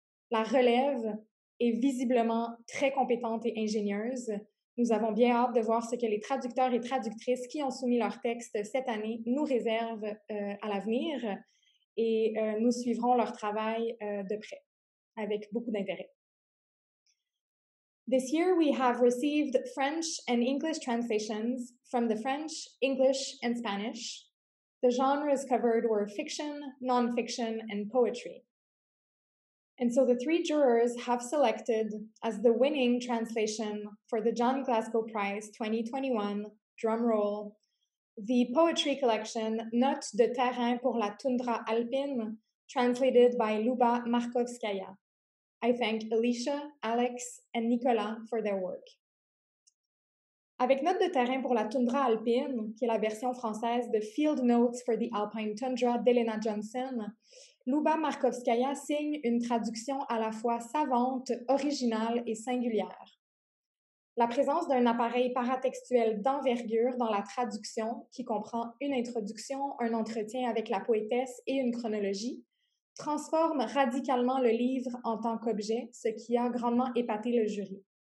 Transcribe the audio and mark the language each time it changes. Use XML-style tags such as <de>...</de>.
<fr>La relève est visiblement très compétente et ingénieuse. Nous avons bien hâte de voir ce que les traducteurs et traductrices qui ont soumis leurs textes cette année nous réservent à l'avenir et nous suivrons leur travail de près, avec beaucoup d'intérêt.</fr> <en>This year, we have received French and English translations from the French, English, and Spanish. The genres covered were fiction, nonfiction, and poetry. And so the three jurors have selected as the winning translation for the John Glassco Prize 2021, drumroll, the poetry collection Notes de terrain pour la toundra alpine, translated by Luba Markovskaya. I thank Alicia, Alex, and Nicolas for their work.</en> <fr>Avec Notes de terrain pour la toundra alpine, qui est la version française de Field Notes for the Alpine Tundra d'Elena Johnson, Luba Markovskaya signe une traduction à la fois savante, originale et singulière. La présence d'un appareil paratextuel d'envergure dans la traduction, qui comprend une introduction, un entretien avec la poétesse et une chronologie, transforme radicalement le livre en tant qu'objet, ce qui a grandement épaté le jury.</fr>